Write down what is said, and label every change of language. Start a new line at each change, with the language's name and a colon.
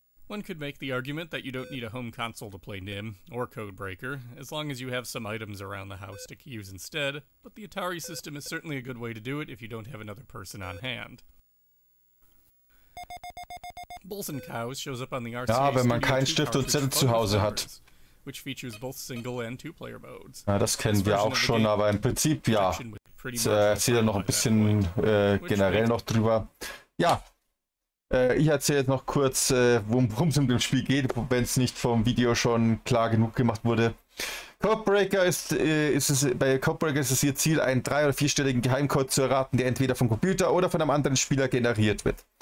English: One could make the argument that you don't need a home console to play NIMH, or Codebreaker, as long as you have some items around the house to use instead, but the Atari system is certainly a good way to do it if you don't have another person on hand. Bulls and Cows shows up on the RCA
German: wenn man keinen Stift und Zettel zu Hause hat.
English: Which features both single and two player modes.
German: Ja, das kennen wir auch schon, aber im Prinzip ja. Erzähl noch ein bisschen generell noch drüber. Ja, ich erzähle jetzt noch kurz, worum es um dem Spiel geht, wenn es nicht vom Video schon klar genug gemacht wurde. Codebreaker ist es ihr Ziel, einen drei- oder vierstelligen Geheimcode zu erraten, der entweder vom Computer oder von einem anderen Spieler generiert wird.